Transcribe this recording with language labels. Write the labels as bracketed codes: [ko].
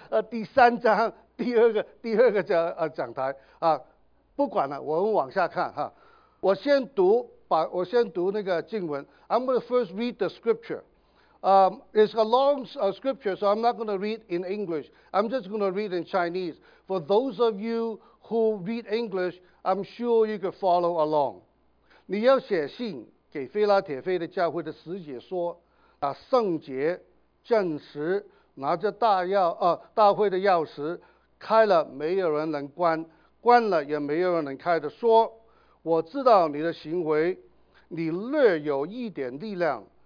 [zh] 第三章第二个讲台不管了，我们往下看我先读那个经文。 [en] I'm going to first read the scripture. It's a long scripture, so I'm not going to read in English. I'm just going to read in Chinese. For those of you who read English, I'm sure you can follow along. [zh] 你要写信给腓拉铁腓的教会的使者说，圣洁、正直、拿着大会的钥匙，开了没有人能关，关了也没有人能开的说，我知道你的行为，你略有一点力量。